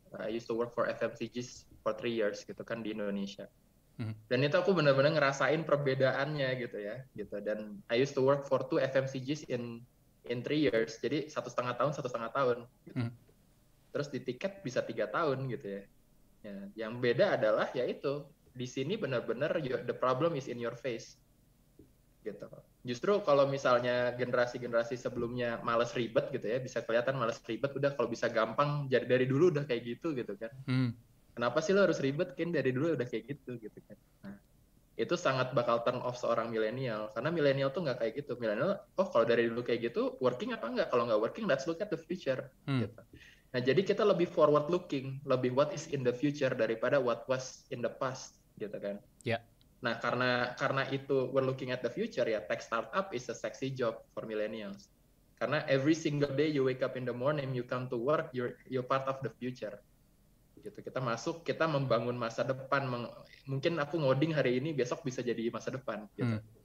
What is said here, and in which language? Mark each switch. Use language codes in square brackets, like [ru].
[en] I used to work for FMCGs for 3 years [id] gitu kan di Indonesia. Dan itu aku benar-benar ngerasain perbedaannya gitu ya. Gitu. Dan [en] I used to work for 2 FMCGs in 3 years. [id] Jadi 1,5 tahun, 1,5 tahun. Gitu. Terus di tiket bisa 3 tahun gitu ya. Ya. Yang beda adalah ya itu. Di sini benar-benar [en] the problem is in your face. [id] Gitu. Justru kalau misalnya generasi-generasi sebelumnya malas ribet gitu ya, bisa kelihatan malas ribet, udah kalau bisa gampang jadi dari dulu udah kayak gitu gitu kan. Kenapa sih lo harus ribet kan dari dulu udah kayak gitu gitu kan. Nah, itu sangat bakal [en] turn off [id] seorang milenial karena milenial tuh enggak kayak gitu. Milenial, oh kalau dari dulu kayak gitu working apa enggak? Kalau enggak working [en] let's look at the future [id] gitu. Nah, jadi kita lebih [en] forward looking, lebih what is in the future [id] daripada [en] what was in the past, [id] gitu kan. [en] Yeah. [id] Nah, karena itu [en] we're looking at the future ya, tech startup is a sexy job for millennials. [id] Karena [en] every single day you wake up in the morning, you come to work, you're part of the future. [id] Gitu. Kita masuk, kita membangun masa depan. Mungkin aku ngoding hari ini, besok bisa jadi masa depan, gitu.